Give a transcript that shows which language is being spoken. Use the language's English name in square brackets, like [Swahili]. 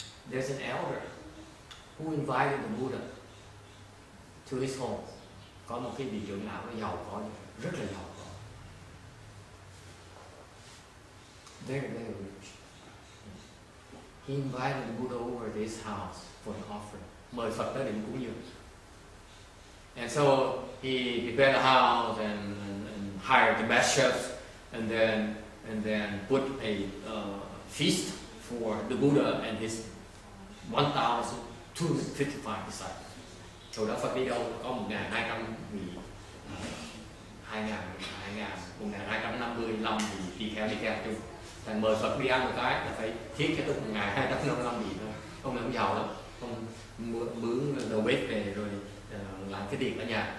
[English] There's an elder who invited the Buddha to his home. [Vietnamese] Có một cái vị trưởng lão giàu có, rất là giàu có. [English] Very, very rich. He invited the Buddha over to his house for an offering. [Vietnamese] Mời Phật tới đỉnh cúng dường. [English] And so he built a house and hired the best chefs and then put a feast for the Buddha and his 1,255 disciples. [Vietnamese] Chỗ đó Phật đi đâu có 1,255 vị đi theo chung. Thành mời Phật đi ăn một cái là phải thiết cho tôi 1,255 vị thôi. Không làm giàu lắm. Không mướn đầu bếp về rồi làm cái tiệc ở nhà.